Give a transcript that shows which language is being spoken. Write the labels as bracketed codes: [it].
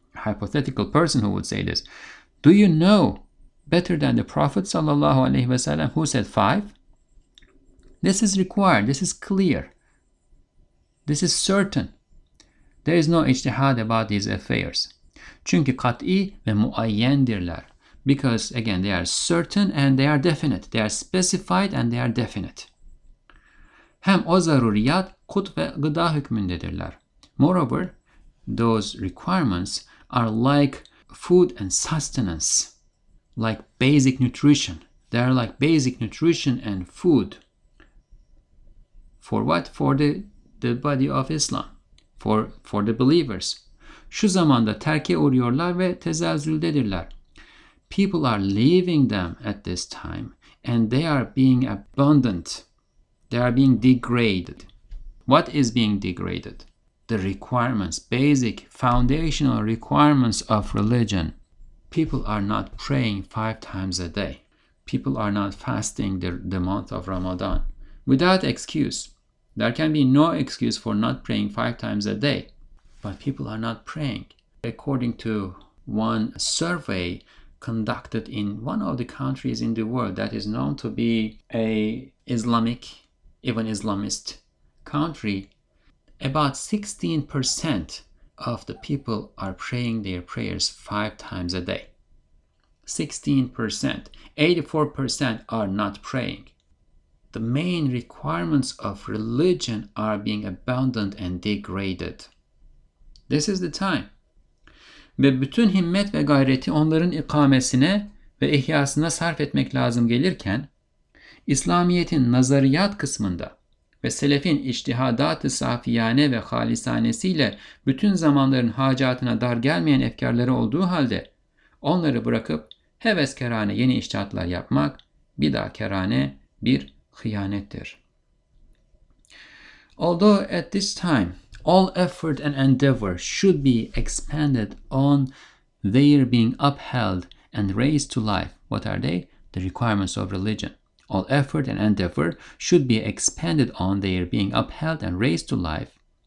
[en] hypothetical person who would say this. Do you know better than the Prophet sallallahu alaihi wasallam who said five? This is required. This is clear. This is certain. There is no ijtihad about these affairs. [tr] Çünkü kat'i ve muayyendirler. [en] Because again, they are certain and they are definite. They are specified and they are definite. [tr] Hem o zaruriyat kut ve gıda hükmündedirler. [en] Moreover, those requirements are like food and sustenance, like basic nutrition. They are like basic nutrition and food. For what? For the body of Islam, for the believers. Şu zamanda terke uğruyorlar ve tezelzüldedirler. People are leaving them at this time and they are being abandoned. They are being degraded. What is being degraded? The requirements, basic foundational requirements of religion. People are not praying five times a day. People are not fasting the month of Ramadan. Without excuse. There can be no excuse for not praying five times a day. But people are not praying. According to one survey conducted in one of the countries in the world that is known to be a Islamic, even Islamist country, about 16% of the people are praying their prayers five times a day. 16%. 84% are not praying. The main requirements of religion are being abandoned and degraded. This is the time. [tr] Ve bütün himmet ve gayreti onların ikamesine ve ihyasına sarf etmek lazım gelirken, İslamiyet'in nazariyat kısmında ve selefin içtihadat-ı safiyane ve halisanesiyle bütün zamanların hacatına dar gelmeyen efkarları olduğu halde, onları bırakıp heveskerane yeni içtihatlar yapmak bidakerane bir hıyanettir. [en] Although at this time, all effort and endeavor should be expended on their being upheld and raised to life. What are they? The requirements of religion. All effort and endeavor should be expended on their being upheld and raised to life.